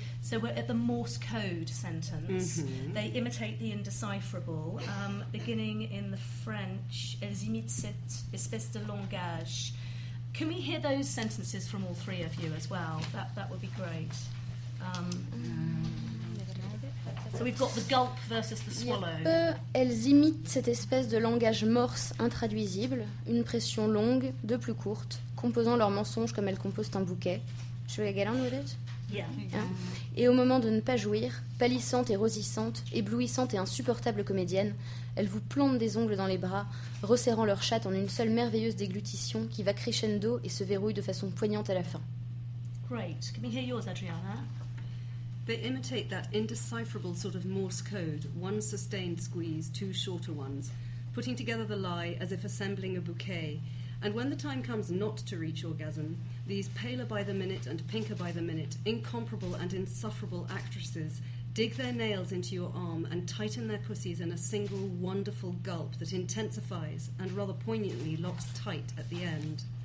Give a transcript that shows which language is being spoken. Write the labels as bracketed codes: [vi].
[en] So we're at the Morse code sentence. Mm-hmm. They imitate the indecipherable, beginning in the French. [fr] Elles imitent cette espèce de langage. [en] Can we hear those sentences from all three of you as well? That would be great. So we've got the gulp versus the swallow. [fr] Elles imitent cette espèce de langage Morse intraduisible, une pression longue, de plus courte. Composant leurs mensonges comme elles composent un bouquet. [en] Should I get on with it? Yeah. Hein? [fr] Et au moment de ne pas jouir, pâlissante et rosissante, éblouissante et insupportable comédienne, elles vous plantent des ongles dans les bras, resserrant leur chatte en une seule merveilleuse déglutition qui va crescendo et se verrouille de façon poignante à la fin. [en] Great. Can we hear yours, Adriana? They imitate that indecipherable sort of Morse code, one sustained squeeze, two shorter ones, putting together the lie as if assembling a bouquet. And when the time comes not to reach orgasm, these paler by the minute and pinker by the minute, incomparable and insufferable actresses dig their nails into your arm and tighten their pussies in a single wonderful gulp that intensifies and rather poignantly locks tight at the end.